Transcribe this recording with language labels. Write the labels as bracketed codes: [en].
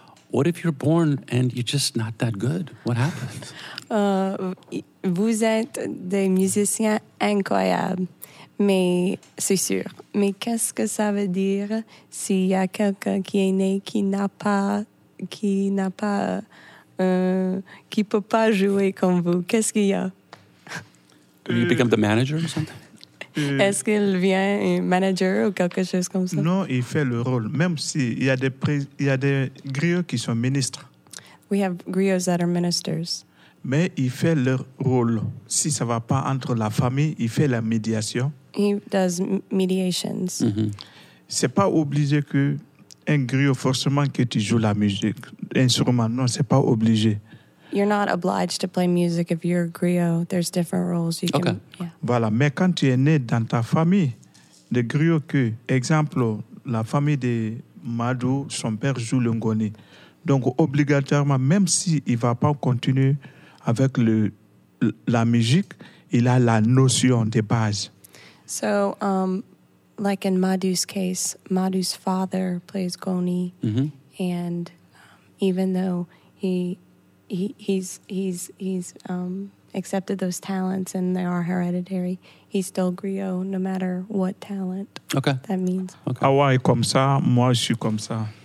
[en] What if you're born and you're just not that good? What happens? [fr] Vous êtes des musiciens incroyables, mais c'est sûr. Mais qu'est-ce que ça veut dire s'il y a quelqu'un qui est né qui peut pas jouer comme vous? Qu'est-ce qu'il y a? [en] Do you become the manager or something? [fr] Est-ce qu'il vient un manager ou quelque chose comme ça? Non, il fait le rôle. Même s'il y a des griots qui sont ministres. [en] We have griots that are ministers. [fr] Mais il fait leur rôle. Si ça va pas entre la famille, il fait la médiation. [en] He does mediations. [fr] Mm-hmm. C'est pas obligé que un griot, forcément que tu joues la musique, instrument. Non, c'est pas obligé. [en] You're not obliged to play music if you're a griot. There's different roles you can. Okay. Yeah. [fr] Voilà. Mais quand tu es né dans ta famille de griot, que exemple, la famille de Madou, son père joue le ngoni. Donc obligatoirement, même si il va pas continuer avec la musique, il a la notion de base. [en] So, like in Madu's case, Madu's father plays goni, mm-hmm. and even though he's accepted those talents and they are hereditary, he's still griot no matter what talent. Okay. That means. Okay. [fr] Awa est comme ça, moi je suis comme ça.